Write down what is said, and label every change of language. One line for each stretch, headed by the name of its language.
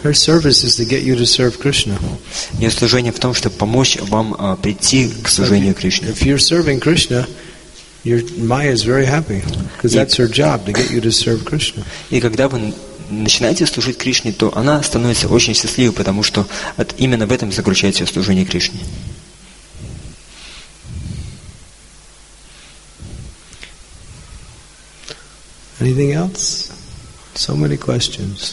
English: Her service is to get you to serve Krishna.
Russian: Ее служение в том, чтобы помочь вам прийти к служению Кришне.
English: If you're serving Krishna, your Maya is very happy, because that's her job, to get you to serve Krishna.
Russian: И когда вы начинаете служить Кришне, то она становится очень счастливой, потому что именно в этом заключается служение Кришне.
English: Anything else? So many questions.